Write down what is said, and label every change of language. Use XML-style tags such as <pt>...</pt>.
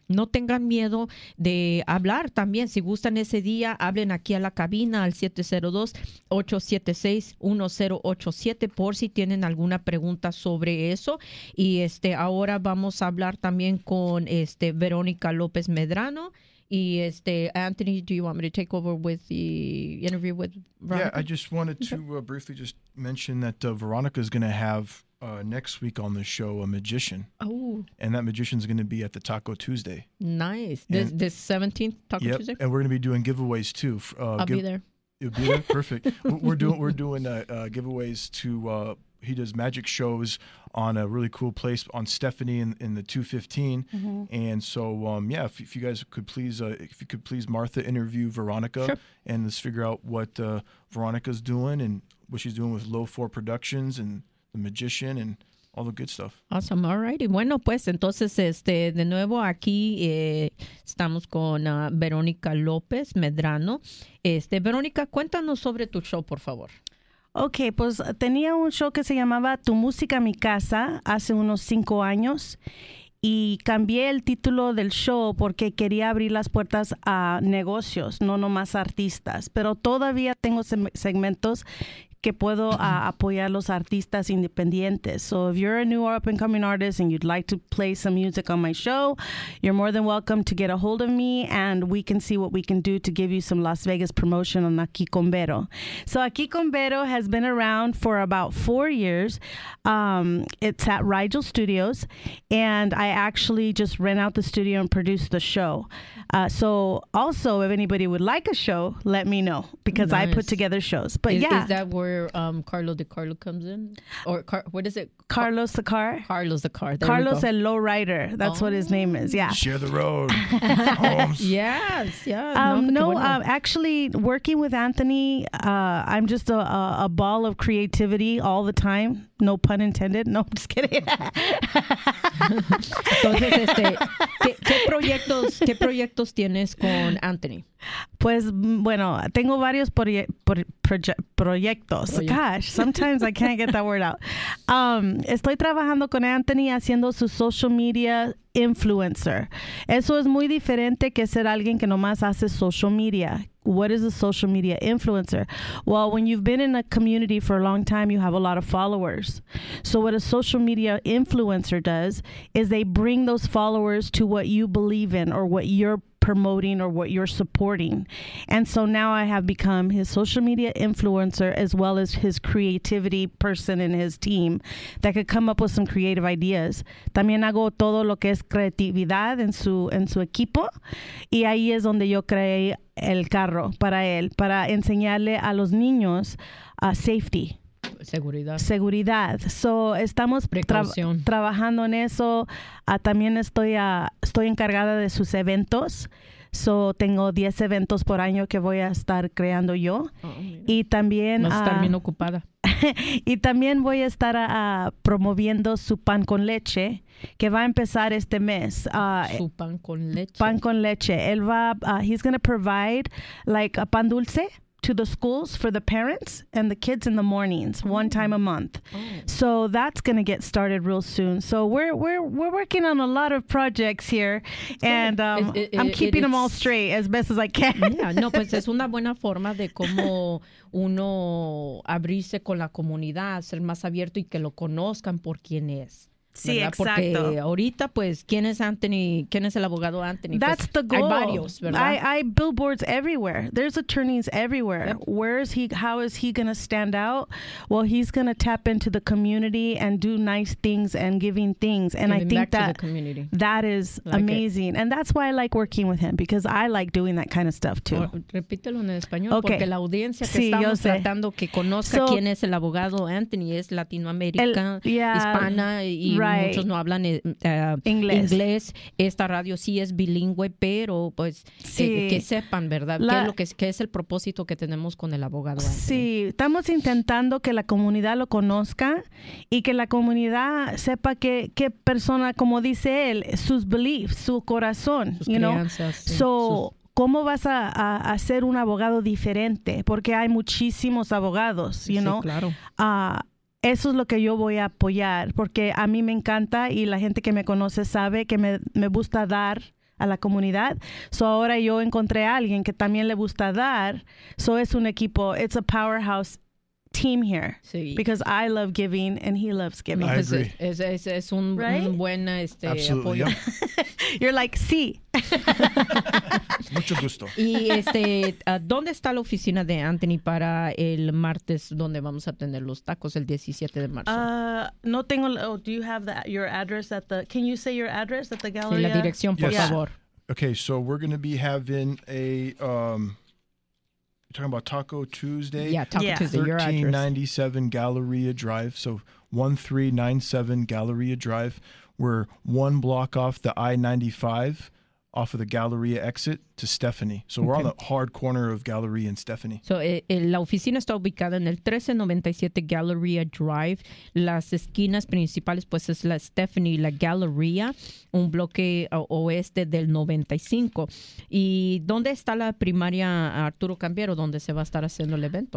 <es>No tengan miedo de hablar también. Si gustan ese día, hablen aquí a la cabina al 702-876-1087 por si tienen alguna pregunta sobre eso. Y ahora vamos a hablar también con Verónica López Medrano.</es> <en>Y Anthony, do you want me to take over with the interview with Veronica? Yeah, I just wanted to briefly just mention that Veronica is going to have next week on the show a magician. Oh. And that magician is going to be at the Taco Tuesday. Nice. This 17th Taco Tuesday? And we're going to be doing giveaways too. I'll be there. You'll be there? Perfect. We're doing giveaways to, he does magic shows on a really cool place on Stephanie in the 215. Mm-hmm. And so, if you guys could please, Martha interview Veronica. Sure. And let's figure out what Veronica's doing and what she's doing with Low 4 Productions and The Magician and all the good stuff. Awesome. All righty.</en> <es>Bueno, pues entonces, de nuevo aquí estamos con Verónica López Medrano. Verónica, cuéntanos sobre tu show, por favor. Ok, pues tenía un show que se llamaba Tu Música, Mi Casa hace unos 5 años y cambié el título del show porque quería abrir las puertas a negocios, no nomás artistas, pero todavía tengo segmentos que puedo apoyar a los artistas independientes.</es> <en>So if you're a new or up and coming artist and you'd like to play some music on my show, you're more than welcome to get a hold of me and we can see what we can do to give you some Las Vegas promotion on Aquí con Vero. So Aquí con Vero has been around for about 4 years. It's at Rigel Studios and I actually just rent out the studio and produce the show. So also if anybody would like a show, let me know because nice. I put together shows. But is that where Carlo de Carlo comes in? Carlos the Car? Carlos the Car. There Carlos el Low Rider. That's what his name is. Yeah. Share the road. Holmes. Yes. Yeah. Actually, working with Anthony, I'm just a ball of creativity all the time. No pun intended. No, I'm just kidding.</en> <es>Entonces, ¿qué proyectos tienes con Anthony? Pues, bueno, tengo varios proyectos.</es> <en>Oh, yeah. Gosh, sometimes I can't get that word out.</en> <es>Estoy trabajando con Anthony haciendo su social media influencer. Eso es muy diferente que ser alguien que nomás hace social media.</es> <en>What is a social media influencer? Well, when you've been in a community for a long time, you have a lot of followers. So what a social media influencer does is they bring those followers to what you believe in or what you're promoting or what you're supporting. And so now I have become his social media influencer as well as his creativity person in his team that could come up with some creative ideas.</en> <es>También hago todo lo que es creatividad en su equipo. Y ahí es donde yo creé el carro para él, para enseñarle a los niños safety. Seguridad. So, estamos trabajando en eso. También estoy encargada de sus eventos. So, tengo 10 eventos por año que voy a estar creando yo. Oh, y también... Vas a estar bien ocupada. Y también voy a estar promoviendo su pan con leche, que va a empezar este mes. Su pan con leche. Pan con leche. Él va...</es> <en>he's going to provide, like, a pan dulce to the schools for the parents and the kids in the mornings one time a month. Oh. So that's going to get started real soon. So we're working on a lot of projects here and I'm keeping them all straight as best as I can.</en> <es>Yeah, no, pues es una buena forma de cómo uno abrirse con la comunidad, ser más abierto y que lo conozcan por quién es. Sí, ¿verdad? Exacto. Porque ahorita, pues, ¿quién es Anthony? ¿Quién es el abogado Anthony?</es> <en>That's</en> <es>pues,</es> <en>the goal.</en> <es>Hay varios, ¿verdad?</es> <en>I billboards everywhere. There's attorneys everywhere. Yep. Where is he? How is he going to stand out? Well, he's going to tap into the community and do nice things and giving things. And giving I think that the community. That is like amazing. It. And that's why I like working with him, because I like doing that kind of stuff, too.</en> <es>Repítelo en español. Okay. Porque la audiencia que estamos tratando que conozca so, quién es el abogado Anthony es latinoamericana,</es> <en>yeah,</en> <es>hispana y...</es> <en>Right.</en> <es>Muchos no hablan inglés. Esta radio sí es bilingüe, pero pues sí. Que sepan, ¿verdad? ¿Qué es el propósito que tenemos con el abogado? Sí, estamos intentando que la comunidad lo conozca y que la comunidad sepa qué persona, como dice él, sus beliefs, su corazón. Sus crianzas, sí. So, ¿cómo vas a ser un abogado diferente? Porque hay muchísimos abogados, you</es> <en>know?</en> <es>Sí, claro. Eso es lo que yo voy a apoyar, porque a mí me encanta y la gente que me conoce sabe que me gusta dar a la comunidad. So ahora yo encontré a alguien que también le gusta dar. So es un equipo,</es> <en>it's a powerhouse team here.</en> <es>Sí.</es> <en>Because I love giving and he loves giving. I agree.</en> <es>Es un,</es> <en>right?</en> <es>un buen este,</es> <en>absolutely,</en> <es>apoyo.</es> <en>Yeah. You're like, sí.</en> <es>Mucho gusto. Y este, ¿dónde está la oficina de Anthony para el martes donde vamos a tener los tacos el 17 de marzo? No tengo,</es> <en>do you have your address at the, can you say your address at the gallery?</en> <es>Sí, la dirección, por</es> <en>yes.</en> <es>favor.</es> <en>Okay, so we're going to be having a, you're talking about Taco Tuesday? Yeah, Taco yeah. Tuesday, your address. 1397 Galleria Drive, so 1397 Galleria Drive. We're one block off the I-95. Off of the Galleria exit to Stephanie. So okay. We're on the hard corner of Galleria and Stephanie.</en> <es>So la oficina está ubicada en el 1397 Galleria Drive. Las esquinas principales, pues, es la Stephanie, la Galleria, un bloque oeste del 95. ¿Y dónde está la primaria Arturo Cambiero, donde se va a estar haciendo el evento?</es>